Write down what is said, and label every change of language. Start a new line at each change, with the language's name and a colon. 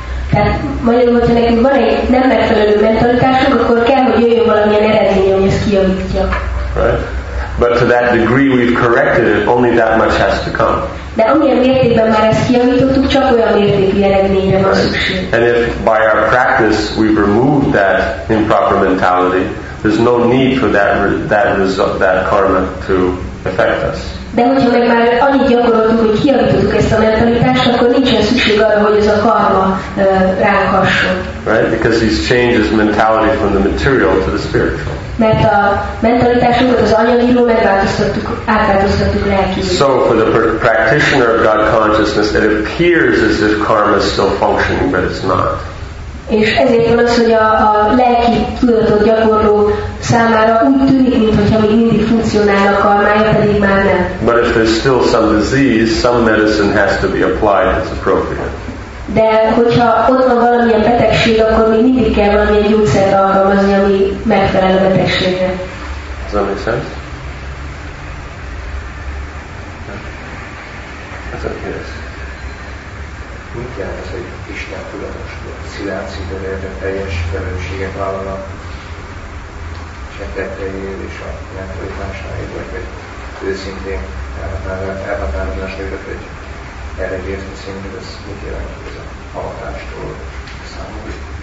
Hungarian: Tehát magyarul, hogyha nekünk van egy nem megfelelő mentalitásunk, akkor kell, hogy jöjjön valamilyen eredmény, hogy ezt kialakítja.
English: Right? But to that degree we've corrected it, only that much has to come.
Hungarian: De amilyen mértékben már ezt kijavítottuk, csak olyan mértékű eredményre van szükség.
English: And if by our practice we've removed that improper mentality, there's no need for that result, that karma to affect us.
Hungarian: De hogyha meg már annyit gyakoroltuk, hogy kijavítottuk ezt a mentalitást, akkor nincsen szükség arra, hogy ez a karma ránk hasson.
English: Right? Because he's changed his mentality from the material to the spiritual.
Hungarian: Mert a mentalitásunkat az anyagiról átváltoztattuk lelkiről.
English: So for the practitioner of God consciousness, it appears as if karma is still functioning, but it's not.
Hungarian: És ezért van az, hogy a lelki tudatot gyakorló számára úgy tűnik, mintha még mindig funkcionál a karmája, pedig már nem.
English: But if there's still some disease, some medicine has to be applied as appropriate.
Hungarian: De hogyha ott van valamilyen betegség, akkor még mindig kell valamilyen gyógyszert alkalmazni, ami megfelel a betegségre.
English: Does that make sense? Yes.
Hungarian: Mi kell az, hogy Isten tudatos oszcillációban érve teljes felelősséget vállal a cseppetteiért és a mentalitásáért, vagy hogy őszintén elhatározásáért, hogy erre érzni szintén, ez mit jelent ez a avatástól számolni?